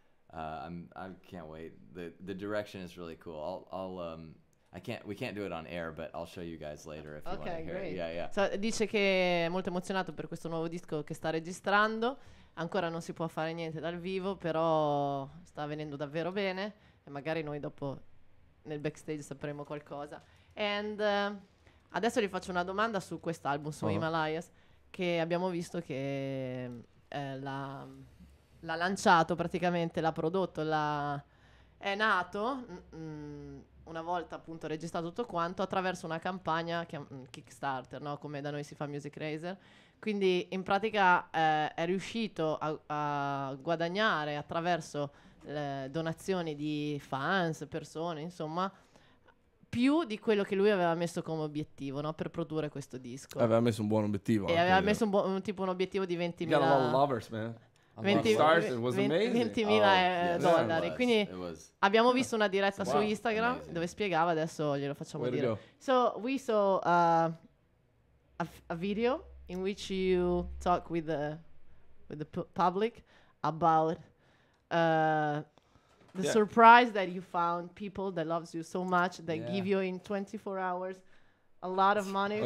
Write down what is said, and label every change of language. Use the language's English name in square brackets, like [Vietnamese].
[English] But I can't wait. The direction is really cool. We can't do it on air, but I'll show you guys later if you want to hear great. It. Yeah, yeah. [Italian] So dice che è molto emozionato per questo nuovo disco che sta registrando. Ancora non si può fare niente dal vivo, però sta venendo davvero bene. E magari noi dopo nel backstage sapremo qualcosa. And adesso gli faccio una domanda su quest'album, su Himalayas, che abbiamo visto che l'ha lanciato praticamente, l'ha prodotto, è nato una volta appunto registrato tutto quanto attraverso una campagna che Kickstarter, no? Come da noi si fa Music Razer. Quindi in pratica è riuscito a guadagnare attraverso donazioni di fans, persone, insomma, più di quello che lui aveva messo come obiettivo, no? Per produrre questo disco. Aveva messo un buon obiettivo. E aveva messo un obiettivo di 20.000. [English] You got a lot of lovers, man. [Italian] 20.000 dollari. Quindi abbiamo visto una diretta su Instagram dove spiegava, adesso glielo facciamo dire. [English] So we saw a video in which you talk with the public about the surprise that you found people that loves you so much that give you in 24 hours a lot of money.